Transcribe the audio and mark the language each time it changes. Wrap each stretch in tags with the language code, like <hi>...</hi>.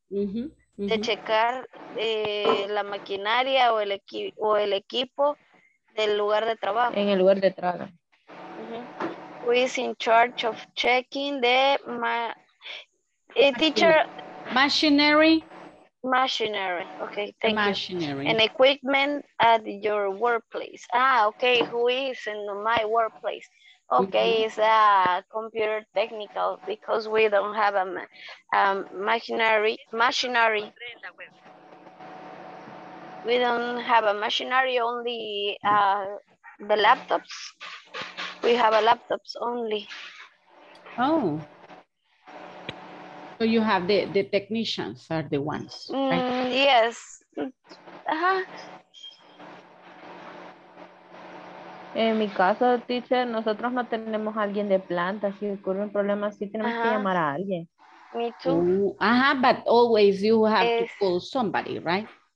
<es>De checar la maquinaria o el equipo del lugar de trabajo. En el lugar de trabajo.</es> <en>Who is in charge of checking the teacher? Machinery. Machinery, okay, thank machinery. You. And equipment at your workplace. Ah, okay, who is in my workplace? Okay, it's a computer technical because we don't have a machinery. We don't have a machinery, only the laptops. We have a laptops only. Oh. So you have the technicians are the ones, right? Yes.</en> <es>En mi caso, teacher, nosotros no tenemos alguien de planta. Si ocurre un problema, sí tenemos que llamar a alguien.</es> <en>Me too. But always you have to call somebody, right?</en>